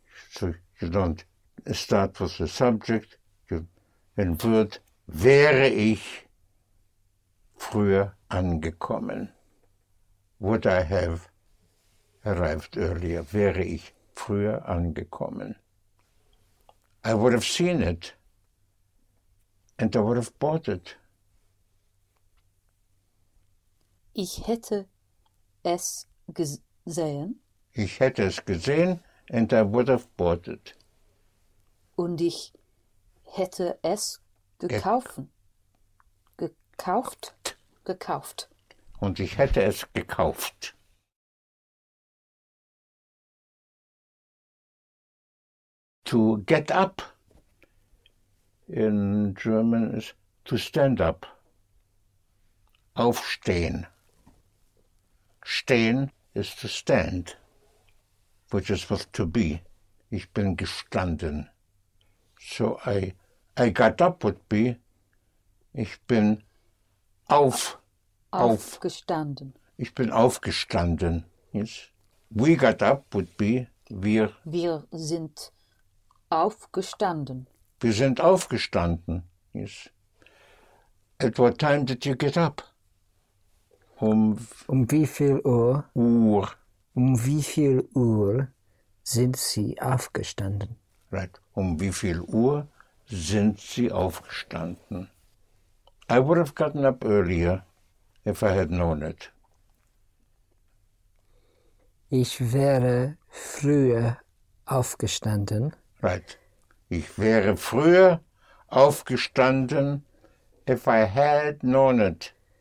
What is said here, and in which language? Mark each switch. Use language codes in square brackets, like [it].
[en] So you don't start with the subject. You invert. [de] Wäre ich früher angekommen? [en] Would I have arrived earlier? [de] Wäre ich früher angekommen? [en] I would have seen it. And I would have bought it. [de] Ich hätte es gesehen. Ich hätte es gesehen [en] and I would have bought it. [de] Und ich hätte es gekauft. Gekauft. Und ich hätte es gekauft. [en] To get up in German is to stand up. Aufstehen. Stehen is to stand, which is what to be. [de] Ich bin gestanden. [en] So I got up would be, [de] ich bin Aufgestanden. Ich bin aufgestanden. [en] Yes. We got up would be wir. [de] Wir sind aufgestanden. Wir sind aufgestanden. Yes. [en] At what time did you get up? [de] Um wie viel Uhr? Uhr. Um wie viel Uhr sind Sie aufgestanden? [en] Right. [de] Um wie viel Uhr sind Sie aufgestanden? [en] I would have gotten up earlier if I had known it. [de] Ich wäre früher aufgestanden. [en] Right. [de] Ich wäre früher aufgestanden, [en] if I had known it.